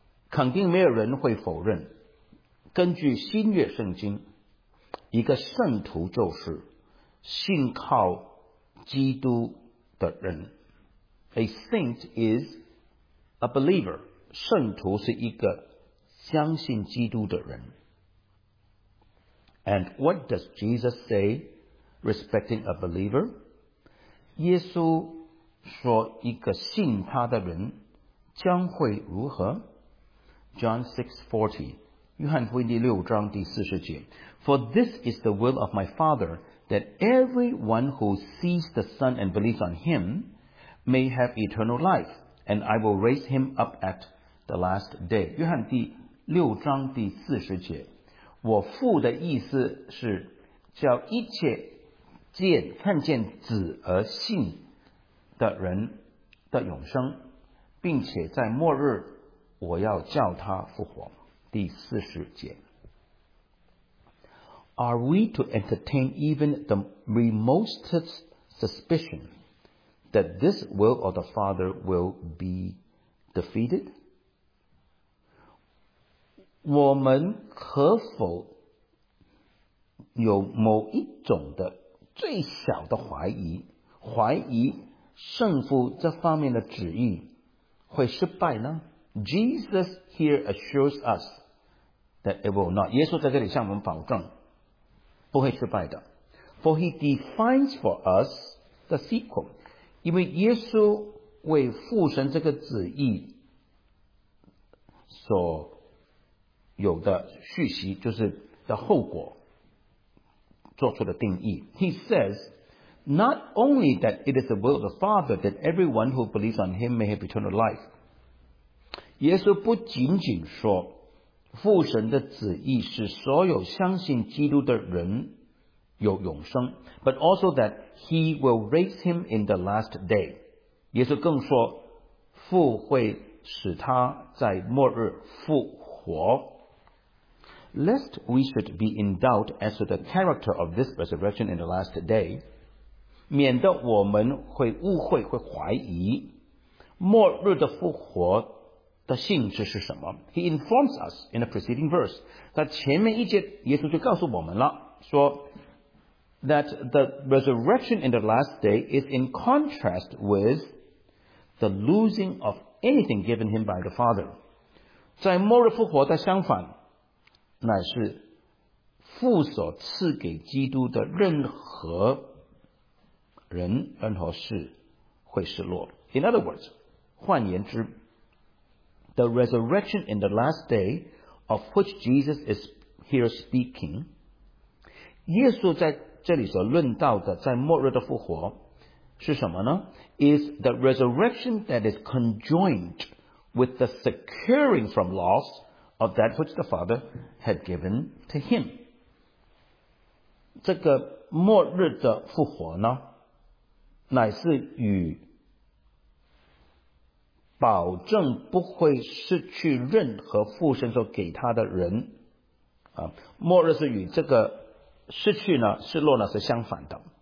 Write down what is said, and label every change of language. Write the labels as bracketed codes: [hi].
[zh] 肯定没有人会否认根据新约圣经一个圣徒就是信靠基督的人 [en] A saint is a believer [zh] 圣徒是一个相信基督的人 [en] And what does Jesus say respecting a believer? [zh] 耶稣说一个信他的人将会如何 [en] John 6:40 [zh] 约翰福音第六章第四十节 [en] For this is the will of my Father that everyone who sees the Son and believes on him may have eternal life and I will raise him up at the last day [zh] 约翰第六章第四十节我父的意思是叫一切见看见子而信的人的永生并且在末日我要叫他复活第四十节 [en] Are we to entertain even the remotest suspicion that this will of the Father will be defeated? [zh] 我们可否有某一种的最小的怀疑，怀疑圣父这方面的旨意会失败呢？ [en] Jesus here assures us that it will not. [zh] 耶稣在这里向我们保证不会失败的。 [en] For he defines for us the sequel. [zh] 因为耶稣为父神这个旨意所有的续习就是的后果做出的定义。 [en] He says, not only that it is the will of the Father that everyone who believes on him may have eternal life. [zh] 耶稣不仅仅说父神的旨意是所有相信基督的人有永生 [en] but also that he will raise him in the last day [zh] 耶稣更说父会使他在末日复活 [en] lest we should be in doubt as to the character of this resurrection in the last day [zh] 免得我们会误会会怀疑末日的复活的性质是什么 [en] He informs us in the preceding verse [zh] 在前面一节耶稣就告诉我们了说 [en] that the resurrection in the last day is in contrast with the losing of anything given him by the Father. [zh] 在末日复活的相反，乃是父所赐给基督的任何人任何事会失落。 [en] In other words, [zh] 换言之， [en] the resurrection in the last day of which Jesus is here speaking， [zh] 耶稣在这里所论到的在末日的复活是什么呢？ [en] Is the resurrection that is conjoined with the securing from loss of that which the Father had given to him. [zh] 这个末日的复活呢，乃是与保证不会失去任何父神所给他的人啊，末日是与这个失去呢，失落呢是相反的。